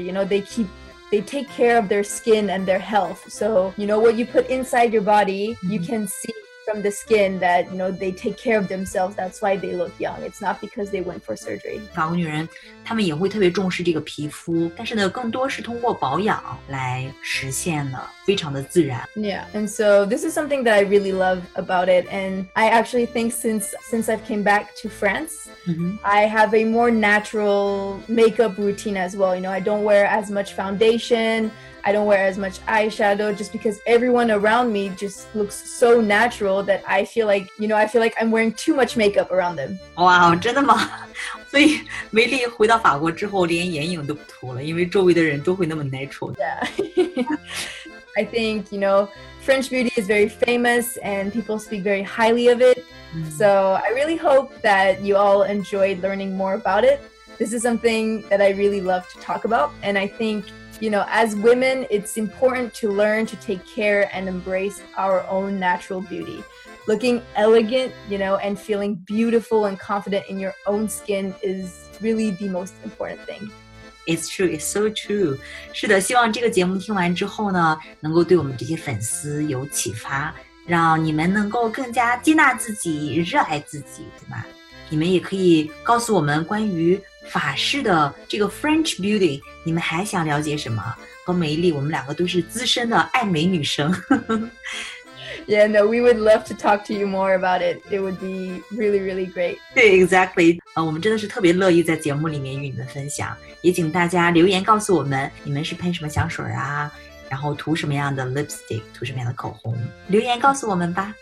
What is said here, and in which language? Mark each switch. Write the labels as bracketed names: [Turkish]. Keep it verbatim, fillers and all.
[English] You know, they keep, they take care of their skin and their health. So, you know, what you put inside your body, you can see from the skin that, you know, they take care of themselves. That's why they look young. It's not because they went for surgery. [Chinese] 法国女人，她们也会特别重视这个皮肤，但是呢，更多是通过保养来实现了。非常的自然。 [English] Yeah, and so this is something that I really love about it. And I actually think since, since I've came back to France,、 mm-hmm. I have a more natural makeup routine as well. You know, I don't wear as much foundation. I don't wear as much eyeshadow just because everyone around me just looks so natural that I feel like, you know, I feel like I'm wearing too much makeup around them. [Chinese] Wow, 真的吗？所以梅丽回到法国之后连眼影都不涂了，因为周围的人都会那么 natural. [English] Yeah. I think, you know, French beauty is very famous and people speak very highly of it. Mm. So I really hope that you all enjoyed learning more about it. This is something that I really love to talk about. And I think, you know, as women, it's important to learn to take care and embrace our own natural beauty. Looking elegant, you know, and feeling beautiful and confident in your own skin is really the most important thing. It's true, it's so true. [Chinese] 是的，希望这个节目听完之后呢，能够对我们这些粉丝有启发，让你们能够更加接纳自己，热爱自己，对吧？你们也可以告诉我们关于法式的这个 [English] French beauty， [Chinese] 你们还想了解什么？和梅丽，我们两个都是资深的爱美女生。 [English] Yeah, no, we would love to talk to you more about it. It would be really, really great. [Chinese] 对 exactly. 呃，我们真的是特别乐意在节目里面与你们分享，也请大家留言告诉我们，你们是喷什么香水啊，然后涂什么样的 lipstick， 涂什么样的口红，留言告诉我们吧。